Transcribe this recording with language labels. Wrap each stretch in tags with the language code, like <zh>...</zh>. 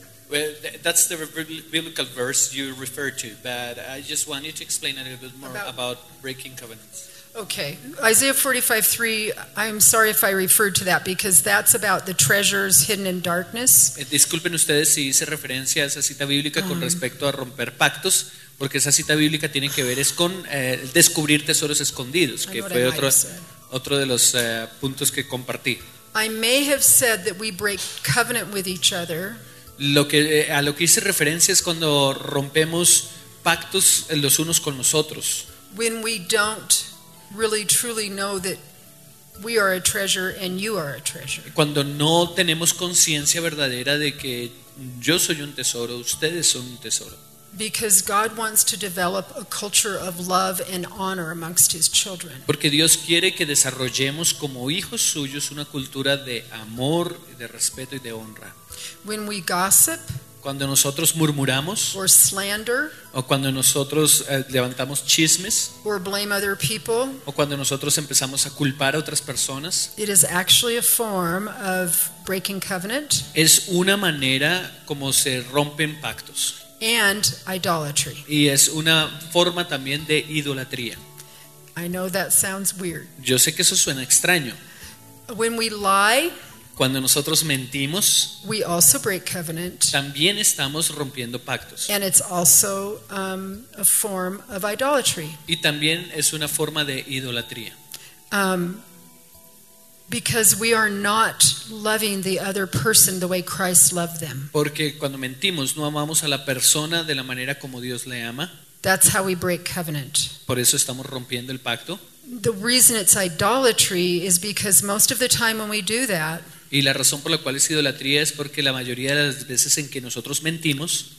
<en>Well, that's the biblical verse you refer to, but I just want you to explain a little bit more about breaking covenants. Okay. Isaiah 45:3, I'm sorry if I referred to that because that's about the treasures hidden in darkness.</en> <es>Disculpen ustedes si hice referencia a esa cita bíblica con respecto a romper pactos. Porque esa cita bíblica tiene que ver es con descubrir tesoros escondidos, que fue otro de los puntos que compartí.</es> <en>I may have said that we break covenant with each other.</en> <es>A lo que hice referencia es cuando rompemos pactos los unos con los otros.</es> <en>When we don't really truly know that we are a treasure and you are a treasure.</en> <es>Cuando no tenemos conciencia verdadera de que yo soy un tesoro, ustedes son un tesoro.</es> <en>Because God wants to develop a culture of love and honor amongst His children.</en> <es>Porque Dios quiere que desarrollemos como hijos suyos una cultura de amor, de respeto y de honra.</es> <en>When we gossip,</en> <es>cuando nosotros murmuramos,</es> <en>or slander,</en> <es>o cuando nosotros levantamos chismes,</es> <en>or blame other people,</en> <es>o cuando nosotros empezamos a culpar a otras personas,</es> <en>it is actually a form of breaking covenant.</en> <es>Es una manera como se rompen pactos.</es> <en>And idolatry.</en> <es>Y es una forma también de idolatría.</es> <en>I know that sounds weird.</en> <es>Yo sé que eso suena extraño.</es> <en>When we lie,</en> <es>cuando nosotros mentimos,</es> <en>we also break covenant,</en> <es>también estamos rompiendo pactos.</es> <en>And it's also, a form of idolatry.</en> <es>Y también es una forma de idolatría.</es> <en>Because we are not loving the other person the way Christ loved them.</en> <es>Porque cuando mentimos no amamos a la persona de la manera como Dios le ama.</es> <en>That's how we break covenant.</en> <es>Por eso estamos rompiendo el pacto.</es> <en>The reason it's idolatry is because most of the time when we do that,</en> <es>y la razón por la cual es idolatría es porque la mayoría de las veces en que nosotros mentimos,</es>